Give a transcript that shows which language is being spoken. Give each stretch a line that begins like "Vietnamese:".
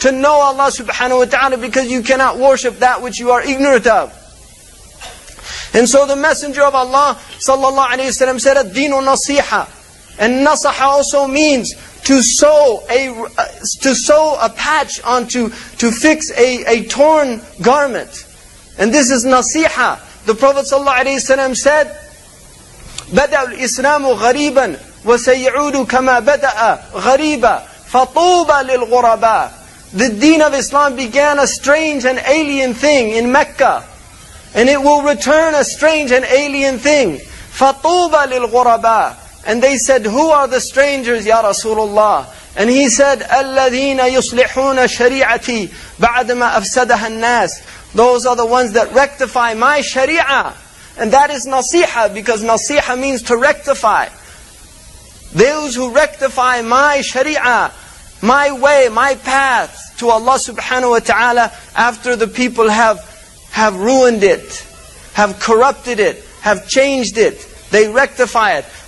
English: To know Allah subhanahu wa ta'ala, because you cannot worship that which you are ignorant of. And so the Messenger of Allah sallallahu alayhi wa sallam said, الدِّينُ nasiha. And nasaha also means to sew a patch onto, to fix a torn garment. And this is nasiha. The Prophet sallallahu alayhi wa sallam said,
Arabic: بَدَعُ الْإِسْلَامُ غَرِيبًا وَسَيْعُودُ كَمَا بَدَأَ غَرِيبًا فَطُوبَ لِلْغُرَبَى.
English: The deen of Islam began a strange and alien thing in Mecca. And it will return a strange and alien thing.
Arabic: فَطُوبَ لِلْغُرَبَى.
English: And they said, who are the strangers, Ya Rasulullah? And he said,
Arabic: أَلَّذِينَ يُصْلِحُونَ شَرِيعَتِي بَعْدَمَا أَفْسَدَهَا النَّاسِ.
English: Those are the ones that rectify my sharia. And that is nasiha, because nasiha means to rectify. Those who rectify my sharia, my way, my path to Allah subhanahu wa ta'ala, after the people have ruined it, have corrupted it, have changed it, they rectify it.